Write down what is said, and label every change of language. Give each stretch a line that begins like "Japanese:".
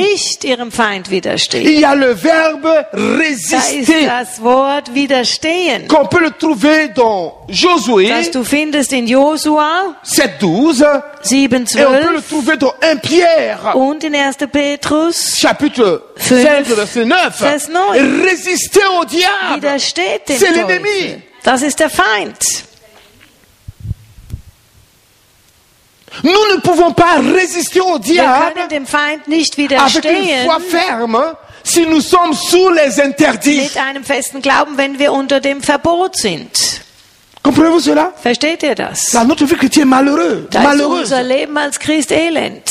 German: Nicht ihrem Feind widerstehen.
French: Il y a le verbe résister,
German: da ist das Wort widerstehen,
French: qu'on peut le trouver dans Josué,
German: das du findest in Josua,
French: 7, 12,
German: 7, 12,
French: et on peut le trouver dans 1 Pierre,
German: und in 1. Petrus,
French: chapitre
German: 5, vers 9.
French: Résistez au diable.
German: Widersteht dem
French: c'est l'ennemi.
German: Das ist der Feind.
French: Nous ne pouvons pas résister au diable.
German: Wir können dem Feind nicht widerstehen.
French: Avec une foi ferme, si nous sommes sous les interdits.
German: Mit einem festen Glauben, wenn wir unter dem Verbot sind.
French: Comprenez-vous cela?
German: Versteht ihr das?
French: Dans notre vie chrétienne malheureuse.
German: Da ist unser Leben als Christ elend.